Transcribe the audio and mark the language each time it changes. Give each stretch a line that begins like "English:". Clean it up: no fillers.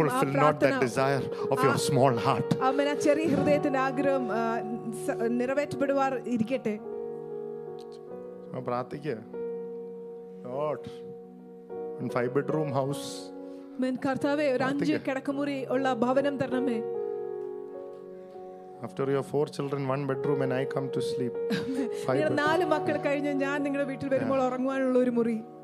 English: fulfill not that desire of your small heart.
Malayalam: അമ്മേ ചെറിയ ഹൃദയത്തിന്റെ ആഗ്രഹം നിറവേറ്റപ്പെടുവാർ ഇരിക്കട്ടെ. ഞാൻ പ്രാർത്ഥിക്കുക.
English: Lord, in 5-bedroom house.
Malayalam: Men കർത്താവേ ഒരു 5 കിടക്കമുറി ഉള്ള ഭവനം തരണമേ.
English: After your 4 children, 1 bedroom, and I come to sleep.
Malayalam: ഞാൻ 4 മക്കൾ കഴിഞ്ഞ ഞാൻ നിങ്ങളുടെ വീട്ടിൽ വരുമ്പോൾ ഉറങ്ങാനുള്ള ഒരു മുറി.